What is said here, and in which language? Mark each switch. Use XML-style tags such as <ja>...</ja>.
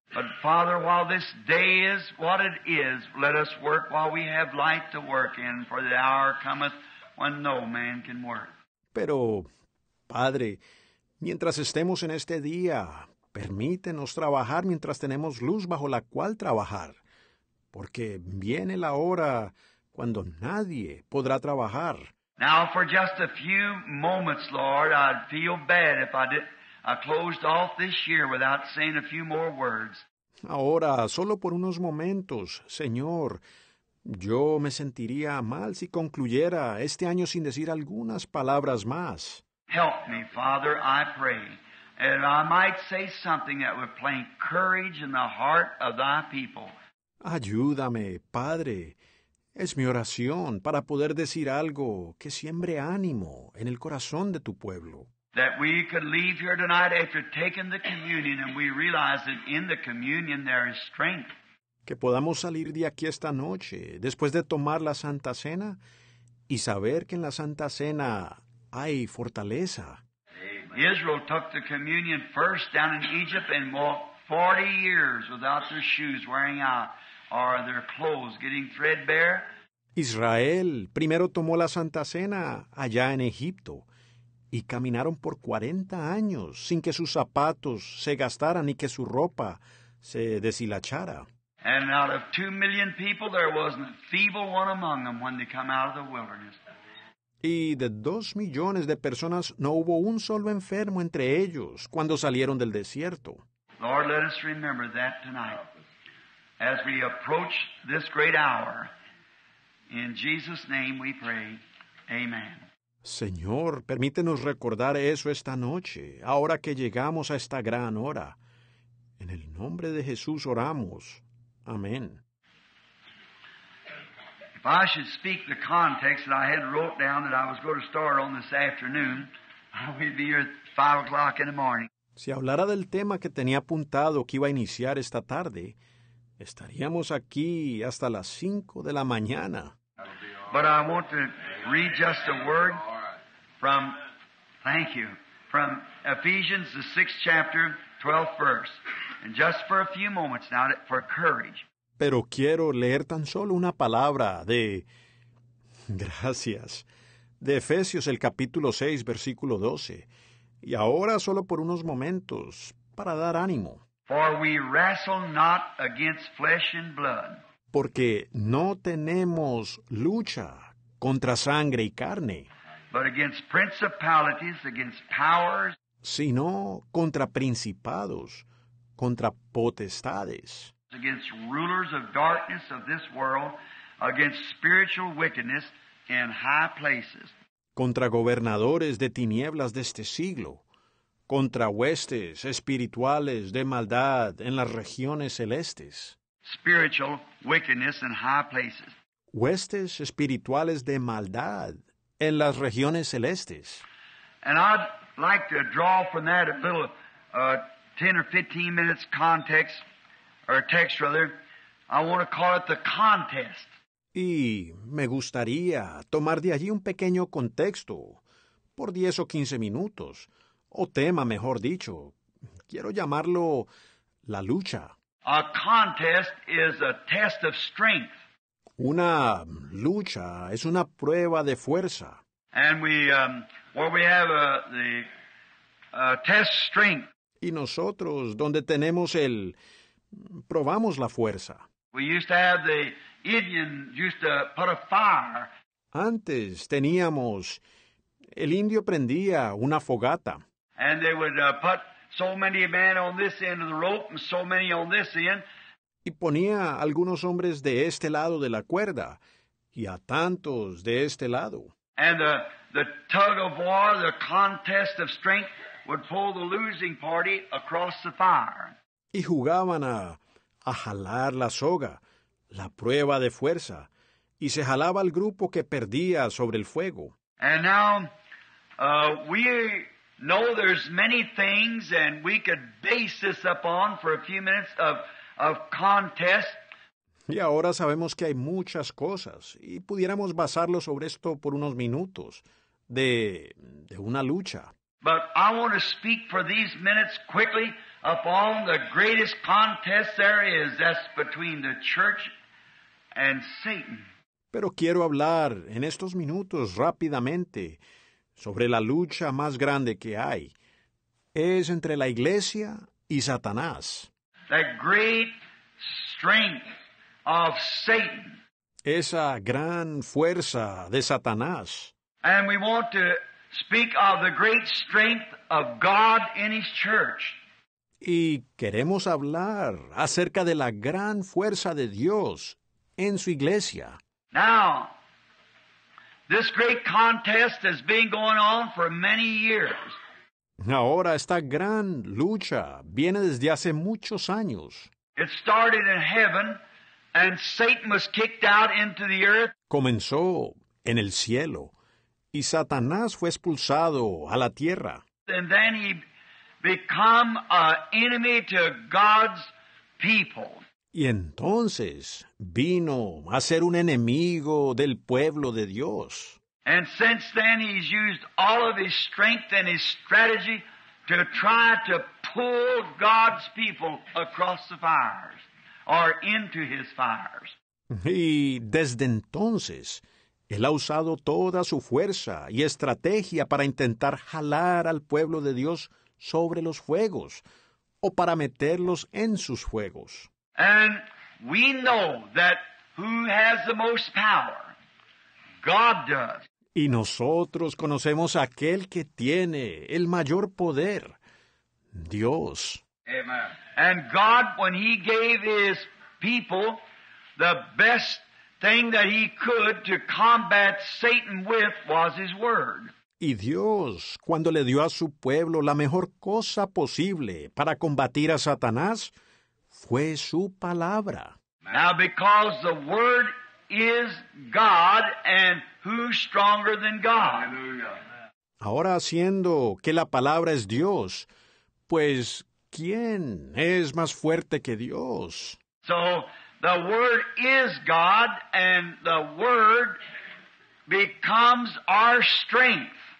<en>But Father, while this day is what it is, let us work while we have light to work in, for the hour cometh when no man can work.</en> <es>Pero, Padre, mientras estemos en este día, permítenos trabajar mientras tenemos luz bajo la cual trabajar, porque viene la hora cuando nadie podrá trabajar.</es> <en>Now for just a few moments, Lord, I'd feel bad if I closed off this year without saying a few more words.</en> <es>Ahora, solo por unos momentos, Señor, yo me sentiría mal si concluyera este año sin decir algunas palabras más.</es> <en>Help me, Father, I pray. And I might say something that would plant courage in the heart of thy people.</en> <es>Ayúdame, Padre. Es mi oración para poder decir algo que siembre ánimo en el corazón de tu pueblo.</es> <en>That we could leave here tonight after taking the communion and we realize that in the communion there is strength.</en> <es>Que podamos salir de aquí esta noche después de tomar la Santa Cena y saber que en la Santa Cena hay fortaleza.</es> <en>Israel took the communion first down in Egypt and walked 40 years without their shoes wearing out or their clothes getting threadbare.</en> <es>Israel primero tomó la Santa Cena allá en Egipto y caminaron por 40 años sin que sus zapatos se gastaran ni que su ropa se deshilachara.</es> <en>And out of 2 million people, there wasn't a feeble one among them when they come out of the wilderness.</en> <es>Y de 2 millones de personas, no hubo un solo enfermo entre ellos cuando salieron del desierto.</es> <en>Lord, let us remember that tonight. As we approach this great hour, in Jesus' name we pray, amen.</en> <es>Señor, permítenos recordar eso esta noche, ahora que llegamos a esta gran hora. En el nombre de Jesús oramos. Amén.</es> <en>If I should speak the context that I had wrote down that I was going to start on this afternoon, I would be here at 5 o'clock in the morning.</en> <es>Si hablara del tema que tenía apuntado que iba a iniciar esta tarde, estaríamos aquí hasta las 5 de la mañana.</es> <en>But I want to read just a word from, thank you, from Ephesians, the 6th chapter, 12th verse. And just for a few moments now, for courage.</en> <es>Pero quiero leer tan solo una palabra de, gracias, de Efesios, el capítulo 6, versículo 12. Y ahora solo por unos momentos, para dar ánimo.</es> <en>For we wrestle not against flesh and blood.</en> <es>Porque no tenemos lucha contra sangre y carne.</es> <en>But against principalities, against powers.</en> <es>Sino contra principados, contra potestades.</es> <en>Against rulers of darkness of this world, against spiritual wickedness in high places.</en> <es>Contra gobernadores de tinieblas de este siglo, contra huestes espirituales de maldad en las regiones celestes.</es> <en>Spiritual wickedness in high places.</en> <es>Huestes espirituales de maldad en las regiones celestes.</es> <en>And I'd like to draw from that a little 10 or 15 minutes context. Or text, rather. I want to call it the contest.</en> <es>Y me gustaría tomar de allí un pequeño contexto, por 10 o 15 minutos, o tema, mejor dicho. Quiero llamarlo la lucha.</es> <en>A contest is a test of strength.</en> <es>Una lucha es una prueba de fuerza.</es> <en>And we have the test strength.</en> <es>Y nosotros, donde tenemos el... probamos la fuerza.</es> <en>We used to have the Indians used to put a fire.</en> <es>Antes teníamos, el indio prendía una fogata.</es> <en>And they would put so many men on this end of the rope and so many on this end.</en> <es>Y ponía algunos hombres de este lado de la cuerda y a tantos de este lado.</es> <en>And the tug of war, the contest of strength, would pull the losing party across the fire.</en> <es>Y jugaban a jalar la soga, la prueba de fuerza, y se jalaba al grupo que perdía sobre el fuego.</es> <en>And now, we know there's many things, and we could base this upon for a few minutes of contest.</en> <es>Y ahora sabemos que hay muchas cosas, y pudiéramos basarlo sobre esto por unos minutos, de una lucha.</es> <en>But I want to speak for these minutes quickly upon the greatest contest there is, that's between the church and Satan.</en> <es>Pero quiero hablar en estos minutos rápidamente sobre la lucha más grande que hay. Es entre la iglesia y Satanás.</es> <en>The great strength of Satan.</en> <es>Esa gran fuerza de Satanás.</es> <en>And we want to speak of the great strength of God in His church.</en> <es>Y queremos hablar acerca de la gran fuerza de Dios en su iglesia.</es> <en>Now, this great contest has been going on for many years.</en> <es>Ahora esta gran lucha viene desde hace muchos años.</es> <en>It started in heaven, and Satan was kicked out into the earth.</en> <es>Comenzó en el cielo, y Satanás fue expulsado a la tierra.</es> <en>And then he became an enemy to God's people.</en> <es>Y entonces vino a ser un enemigo del pueblo de Dios.</es> <en>And since then he's used all of his strength and his strategy to try to pull God's people across the fires or into his fires.</en> <es>Y desde entonces él ha usado toda su fuerza y estrategia para intentar jalar al pueblo de Dios sobre los fuegos o para meterlos en sus fuegos.</es> <en>And we know that who has the most power, God does.</en> <es>Y nosotros conocemos a aquel que tiene el mayor poder, Dios.</es> <en>Amen. And God, when he gave his people the best thing that he could to combat Satan with was his word.</en> <es>Y Dios, cuando le dio a su pueblo la mejor cosa posible para combatir a Satanás, fue su palabra.</es> <en>Now, because the word is God, and who's stronger than God?</en> <es>Ahora, siendo que la palabra es Dios, pues, ¿quién es más fuerte que Dios?</es> <en>So, the word is God, and the word becomes our strength.</en>